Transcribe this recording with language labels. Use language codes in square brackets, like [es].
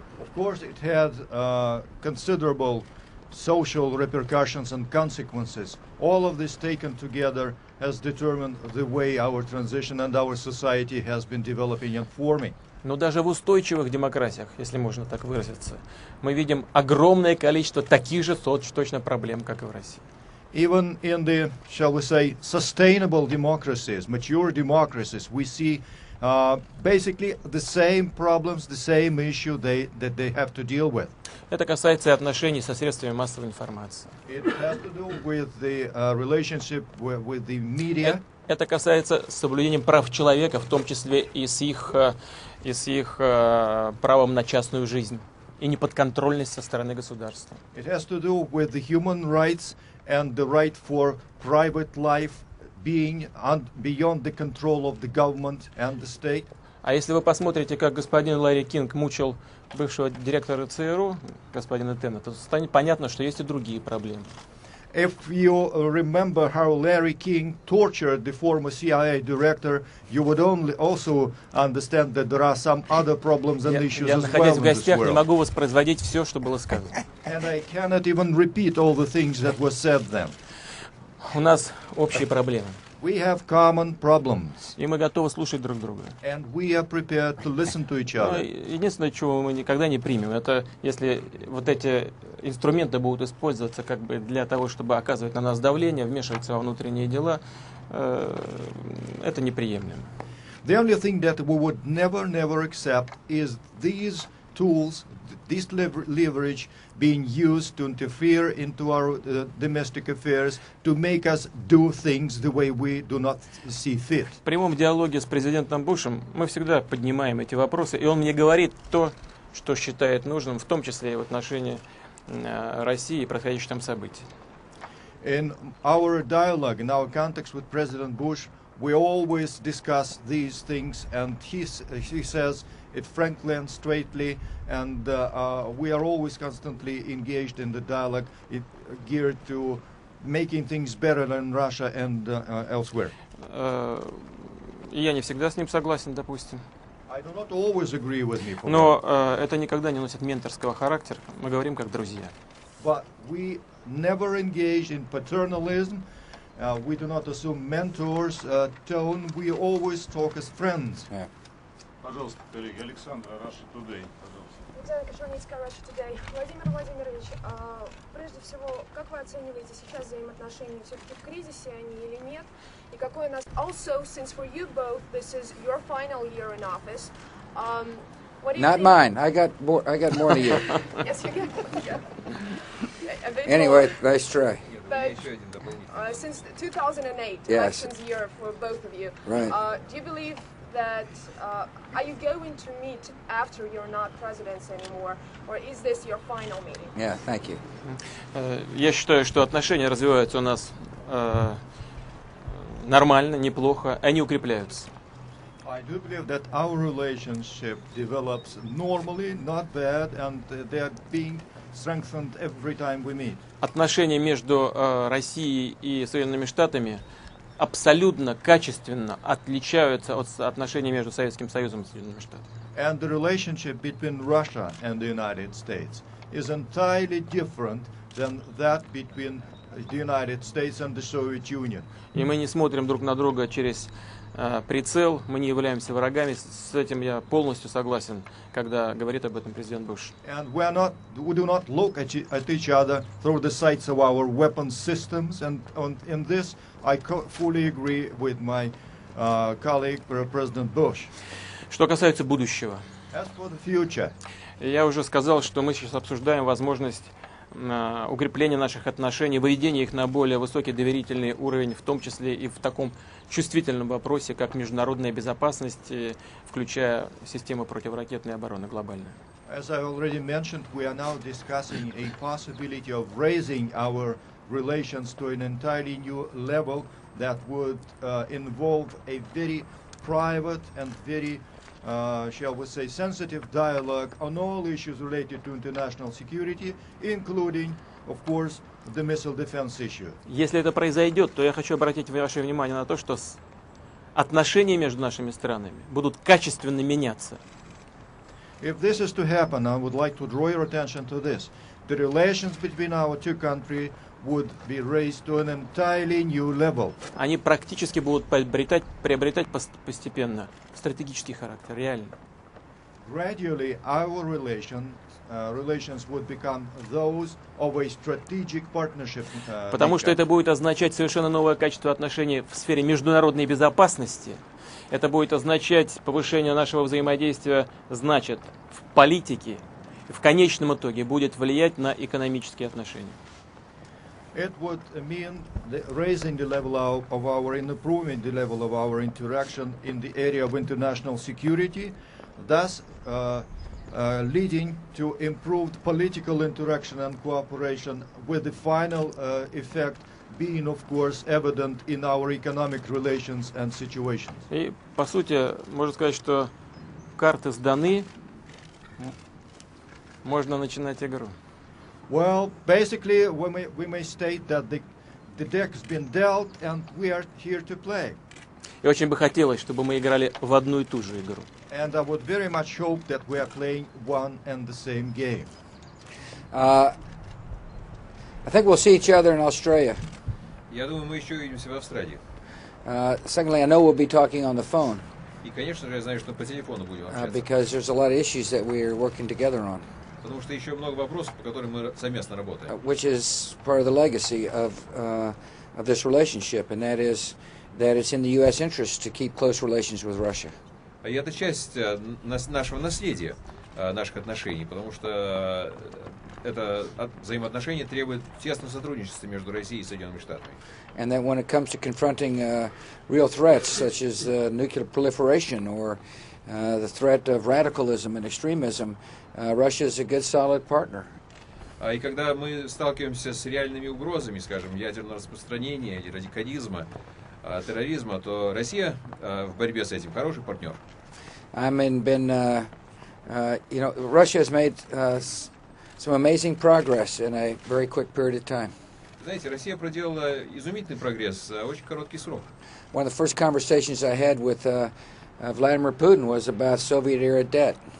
[en] Of course, it had considerable social repercussions and consequences. All of this taken together has determined the way our transition and our society has been developing and forming. [ru] Но даже в устойчивых демократиях, если можно так выразиться, мы видим огромное количество таких же точно проблем, как и в России. [en] Even in the, shall we say, sustainable democracies, mature democracies, we see basically the same problems, the same issue that they have to deal with. [ru] Это касается и отношений со средствами массовой информации. [en] It has to do with the relationship with the media. [ru] Это касается соблюдения прав человека, в том числе и с их правом на частную жизнь и неподконтрольность со стороны государства. [en] It has to do with the human rights and the right for private life being beyond the control of the government and the state. [ru] А если вы посмотрите, как господин Ларри Кинг мучил бывшего директора ЦРУ, господина Теннета, то станет понятно, что есть и другие проблемы. [en] If you remember how Larry King tortured the former CIA director, you would only also understand that there are some other problems and issues as well in this world. [ru] Я, находясь в гостях, не могу воспроизводить все, что было сказано. [en] And I cannot even repeat all the things that were said then. [ru] У нас общие проблемы. [en] We have common problems. [ru] И мы готовы слушать друг друга. [en] And we are prepared to listen to each other. [ru] Единственное, чего мы никогда не примем, это если вот эти инструменты будут использоваться как бы для того, чтобы оказывать на нас давление, вмешиваться во внутренние дела, это неприемлемо. [en] The only thing that we would never accept is these tools, this leverage being used to interfere into our domestic affairs, to make us do things the way we do not see fit. [ru] В прямом диалоге с президентом Бушем мы всегда поднимаем эти вопросы, и он мне говорит то, что считает нужным, в том числе и в отношении России и происходящих там событий. [en] In our dialogue, in our context with President Bush, we always discuss these things, and he says it frankly and straightly, and we are always constantly engaged in the dialogue geared to making things better in Russia and elsewhere. [ru] Я не всегда с ним согласен, допустим. [en] I do not always agree with me. [ru] Но это никогда не носит менторского характера. Мы говорим как друзья. [en] But we never engage in paternalism. We do not assume mentors tone. We always talk as friends. Yeah. [ru] Пожалуйста, коллеги, Александра, Russia Today, пожалуйста. Александра Кашуницкая, Russia Today. Владимир Владимирович, прежде всего, как вы оцениваете сейчас взаимоотношения, все-таки в кризисе они или нет? И какой у нас... [en] Also, since for you both, this is your final year in office, what do you Not think? Mine, I got more than you. Yes, you got yeah. Anyway, nice try. But since 2008, yes. Elections year for both of you, right. Do you believe that are you going to meet after you're not president anymore, or is this your final meeting? Yeah, thank you. [ru] Я считаю, что отношения развиваются у нас нормально, неплохо, они укрепляются. [en] I do believe that our relationship develops normally, not bad, and they are being strengthened every time we meet. [ru] Отношения между Россией и Соединенными Штатами абсолютно качественно отличаются от отношений между Советским Союзом и Соединенными Штатами. [en] and the relationship between Russia and the United States is entirely different than that between the United States and the Soviet Union. [ru] И мы не смотрим друг на друга через прицел, мы не являемся врагами, с этим я полностью согласен, когда говорит об этом президент Буш. [en] And we are not, we do not look at each other through the sights of our weapon systems, and on, in this I fully agree with my colleague President Bush. [ru] Что касается будущего. [en] As for the future. [ru] Я уже сказал, что мы сейчас обсуждаем возможность укрепление наших отношений, выведение их на более высокий доверительный уровень, в том числе и в таком чувствительном вопросе, как международная безопасность, включая системы противоракетной обороны глобальную. [en] As I already mentioned, we are now discussing a possibility of raising our relations to an entirely new level that would involve a very private and very shall we say, sensitive dialogue on all issues related to international security, including, of course, the missile defense issue. [ru] Если это произойдет, то я хочу обратить ваше внимание на то, что отношения между нашими странами будут качественно меняться. [en] If this is to happen, I would like to draw your attention to this. The relations between our two countries would be raised to an entirely new level. [ru] Они практически будут приобретать постепенно стратегический характер, реально. [en] Gradually, our relations would become those of a strategic partnership. [ru] Потому что это будет означать совершенно новое качество отношений в сфере международной безопасности. Это будет означать повышение нашего взаимодействия, значит, в политике, в конечном итоге будет влиять на экономические отношения. [en] It would mean the raising the level of our, improving the level of our interaction in the area of international security, thus leading to improved political interaction and cooperation, with the final effect being, of course, evident in our economic relations and situations. [ru] И, по сути, можно сказать, что карты сданы, можно начинать игру. [en] Well, basically, we may state that the deck has been dealt and we are here to play. [ru] И очень бы хотелось, чтобы мы играли в одну и ту же игру. [en] And I would very much hope that we are playing one and the same game. I think we'll see each other in Australia. [ru] Я думаю, мы еще увидимся в Австралии. [en] Secondly, I know we'll be talking on the phone. [ru] И, конечно же, я знаю, что по телефону будем общаться. [en] Because there's a lot of issues that we are working together on. [ru] Потому что еще много вопросов, по которым мы совместно работаем. [en] Which is part of the legacy of this relationship, and that is that it's in the U.S. interest to keep close relations with Russia. [ru] И это часть нашего наследия, наших отношений, потому что это взаимоотношение требует тесного сотрудничества между Россией и Соединенными Штатами. [en] And that when it comes to confronting real threats, such as nuclear proliferation or the threat of radicalism and extremism, Russia is a good solid partner. [ru] И когда мы сталкиваемся с реальными угрозами, скажем, ядерного распространения, радикализма, терроризма, то Россия в борьбе с этим хороший партнер. [en] I mean, you know, Russia has made some amazing progress in a very quick period of time. [ru] Знаете, Россия проделала изумительный прогресс за очень короткий срок. [en] One of the first conversations I had with Vladimir Putin was about Soviet-era debt.